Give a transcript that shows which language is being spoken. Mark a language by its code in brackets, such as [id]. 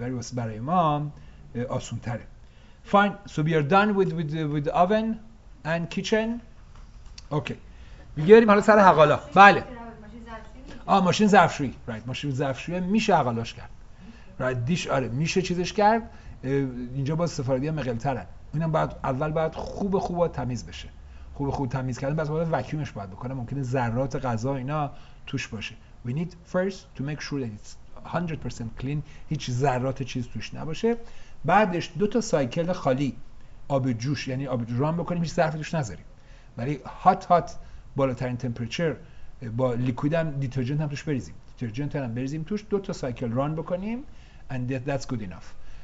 [fa] ولی واسه برای ما آسون تره. [en] Fine. So we are done with oven and kitchen. [fa] Okay. بگیریم حالا سر حقالا. بله. ماشین ظرفشویی. Right. ماشین ظرفشویی میشه حقالاش کرد. Right. دیش آره. میشه چیزش کرد. اینجا با سفارادی ها مقل ترن. اینم بعد اول بعد خوب تمیز بشه. خوب تمیز کردن بعد باید وکیومش باید بکنه ممکنه ذرات غذا اینا توش باشه. [en] We need first to make sure that it's 100% clean. [fa] هیچ ذرات چیز توش نباشه. بعدش دو تا سایکل خالی آب جوش یعنی آب جوش رام بکنیم هیچ ظرفی توش نذاریم. ولی هات بالاترین تمپرچر با لیکوید هم دیترجنت هم توش بریزیم. دیترجنت هم بریزیم توش دو تا سایکل ران بکنیم [en] and that's good enough.